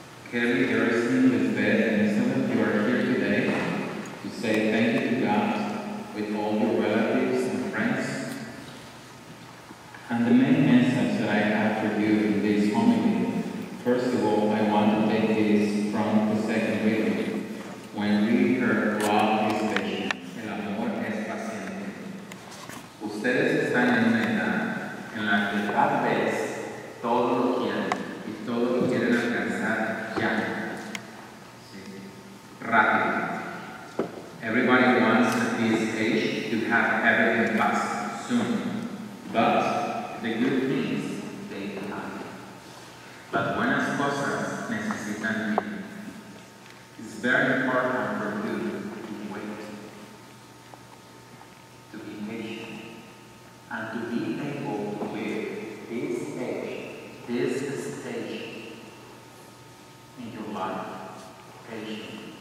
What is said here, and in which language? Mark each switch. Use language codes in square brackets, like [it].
[en] Kevin Harrison is bed, and some of you are here today to say thank you to God with all your relatives. And the main message that I have for you in this homily, first of all, I want to take this from the second reading. When we heard love is patient, [es] el amor es paciente. Ustedes están en una edad en la que tal vez todo lo quieren y todo lo quieren alcanzar ya. Sí. Rápido. [en] Everybody wants at this age to have everything fast, soon. But the good things, they have. [es] Las buenas cosas necesitan tiempo. [en] It's very important for you to wait, to be patient, and to be able to live this stage in your life, patient.